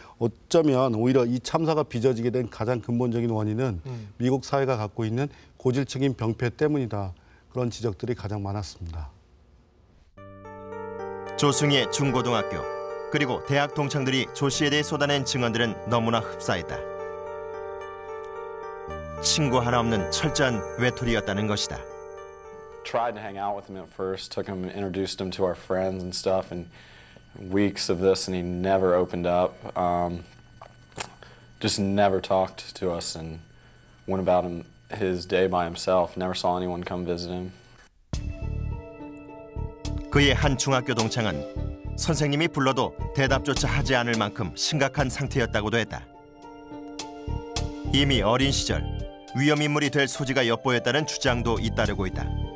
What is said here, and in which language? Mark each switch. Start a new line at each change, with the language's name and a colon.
Korean: 어쩌면 오히려 이 참사가 빚어지게 된 가장 근본적인 원인은 미국 사회가 갖고 있는 고질적인 병폐 때문이다. 그런 지적들이 가장 많았습니다. 조승희의 중고등학교 그리고 대학 동창들이 조 씨에 대해 쏟아낸 증언들은 너무나 흡사했다. 친구 하나 없는 철저한 외톨이였다는 것이다.
English: Tried to hang out with him at first, took him, introduced him to our friends and stuff, and weeks of this, and he never opened up. Just never talked to us, and went about his day by himself. Never saw anyone come visit him.
Korean: 그의 한 중학교 동창은 선생님이 불러도 대답조차 하지 않을 만큼 심각한 상태였다고도 했다. 이미 어린 시절 위험 인물이 될 소지가 엿보였다는 주장도 잇따르고 있다.